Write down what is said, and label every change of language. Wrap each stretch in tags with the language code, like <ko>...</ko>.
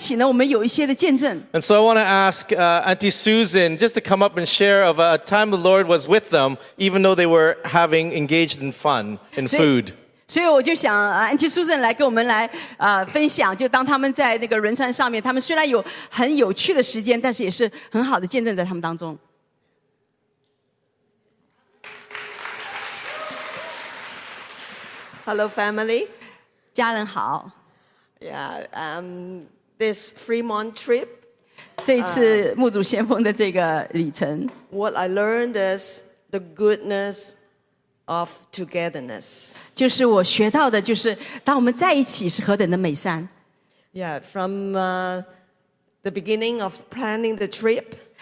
<en>And so I want to ask Auntie Susan just to come up and share of a time the Lord was with them, even though they were having engaged in fun and food.</en> <zh>所以我就想 Auntie Susan来给我们来 分享 就当他们在那个轮船上面 他们虽然有很有趣的时间 但是也是很好的见证在他们当中</zh> <en>Hello family</en> <zh>家人好</zh> <en>This Fremont trip</en> <zh>这一次牧主先锋的这个旅程</zh> <en>What I learned is the goodness of togetherness.</en> <zh>就是我学到的就是当我们在一起是何等的美善。</zh> <en>Yeah, from the beginning of planning the trip.</en>